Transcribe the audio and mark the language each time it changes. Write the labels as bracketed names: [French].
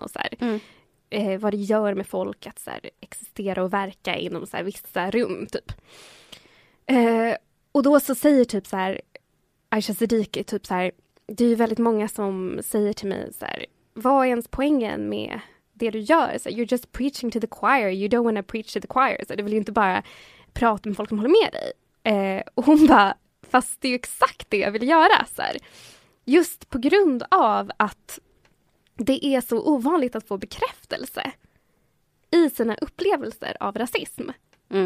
[Swedish] Och så här, vad det gör med folk att så här, existera och verka inom så här, vissa rum. Typ. Och då så säger typ så här Aisha Siddiqui, typ så här, det är ju väldigt många som säger till mig så här, vad är ens poängen med det du gör? Så här, [English] you're just preaching to the choir, you don't want to preach to the choir. [Swedish] Så du vill ju inte bara prata med folk som håller med dig. Och hon bara, fast det är ju exakt det jag vill göra. Så här, just på grund av att det är så ovanligt att få bekräftelse i sina upplevelser av rasism. Mm.